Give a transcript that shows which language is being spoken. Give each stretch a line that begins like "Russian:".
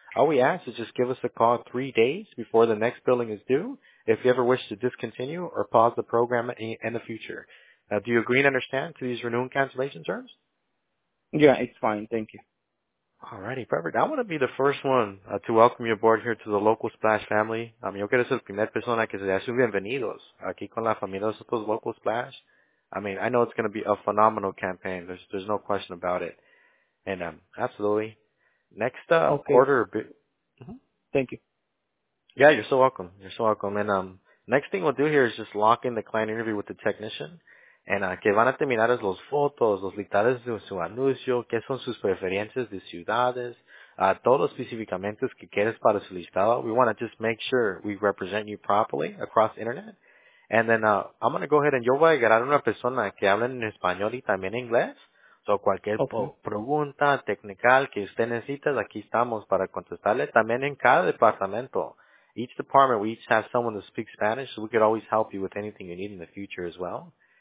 English: All we ask is just give us a call 3 days before the next billing is due if you ever wish to discontinue or pause the program in the future. Now, do you agree and understand to these renewal and cancellation terms? Yeah, it's fine. Thank you. All righty, perfect. I want to be the first one to welcome you aboard here to the Local Splash family.
Spanish: Yo quiero ser la primera persona que se da sus bienvenidos aquí con la familia de los Local Splash.
English: I mean, I know it's going to be a phenomenal campaign. There's no question about it. And absolutely. Next order. Thank you. Yeah, you're so welcome. You're so welcome. And next thing we'll do here is just lock in the client interview with the technician.
Spanish: And que van a terminar es los fotos, los literales de su anuncio, que son sus preferencias de ciudades, todos los especificamientos que quieres para su listado.
English: We want to just make sure we represent you properly across the internet. And then I'm going to go ahead and
Spanish: yo voy a agarrar una persona que hable en español y también en inglés. So cualquier pregunta technical que usted necesite, aquí estamos para contestarle. También en cada departamento,
English: each department, we each have someone that speaks Spanish, so we could always help you with anything you need in the future as well.